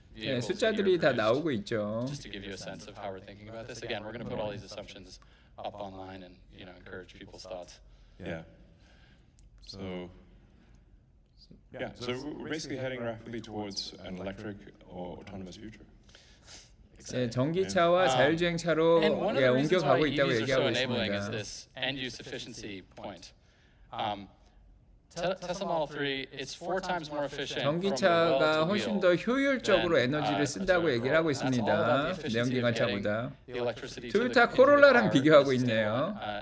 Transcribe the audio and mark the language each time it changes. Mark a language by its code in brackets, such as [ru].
[ko] 네, 숫자들이 다 나오고 있죠. [en] Just to give you a sense of how we're thinking about this. Again, we're going to put all these assumptions up online and, you know, encourage people's thoughts. Yeah. So, yeah, so we're basically heading rapidly towards an electric or autonomous future. [ko] 네, 전기차와 자율주행차로 예, 옮겨가고 있다고 얘기하고 있습니다. [en] And one of the reasons why EVs are so enabling is this end-use efficiency point. Tesla Model 3 is four times more efficient. [ko] 전기차가 훨씬 더 효율적으로 에너지를 쓴다고 얘기를 하고 있습니다. 내연기관차보다. 토요타 코롤라랑 비교하고 있네요.